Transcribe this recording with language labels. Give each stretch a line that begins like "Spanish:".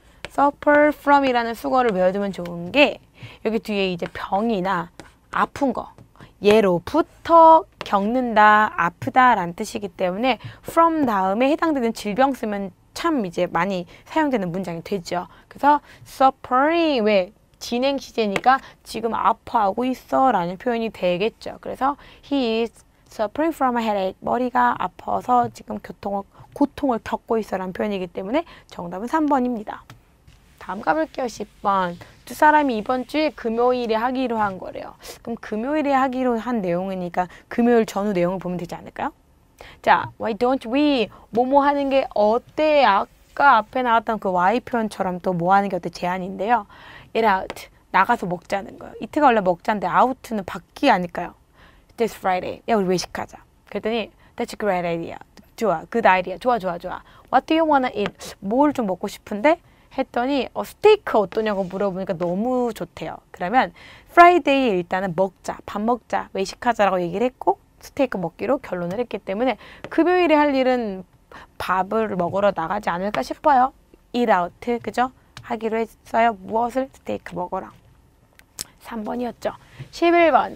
Korean: suffer from이라는 수거를 외워두면 좋은 게 여기 뒤에 이제 병이나 아픈 거, 예로부터 겪는다, 아프다라는 뜻이기 때문에 from 다음에 해당되는 질병 쓰면 참 이제 많이 사용되는 문장이 되죠. 그래서 suffering, 왜? 진행 시제니까 지금 아파하고 있어라는 표현이 되겠죠.
English: 그래서 he is suffering from a headache.
Korean: 머리가 아파서 지금 고통을 겪고 있어라는 표현이기 때문에 정답은 3번입니다. 다음 가볼게요, 10번. 두 사람이 이번 주에 금요일에 하기로 한 거래요. 그럼 금요일에 하기로 한 내용이니까 금요일 전후 내용을 보면 되지 않을까요? 자, why don't we? 뭐뭐 하는 게 어때? 아까 앞에 나왔던 그 why 표현처럼 또뭐 하는 게 어때? 제안인데요. Eat out. 나가서 먹자는 거예요. 이트가 원래 먹자인데 out는 밖이 아닐까요? This Friday. 야, 우리 외식하자.
English: 그랬더니 that's a great idea. 좋아, good idea. 좋아, 좋아, 좋아. What do you wanna eat? 뭘좀 먹고 싶은데?
Korean: 했더니 스테이크 어떠냐고 물어보니까 너무 좋대요. 그러면 프라이데이 일단은 먹자, 밥 먹자, 외식하자라고 얘기를 했고 스테이크 먹기로 결론을 했기 때문에 금요일에 할 일은 밥을 먹으러 나가지 않을까 싶어요. 이라우트 그죠? 하기로 했어요. 무엇을? 스테이크 먹어라. 3번이었죠. 11번.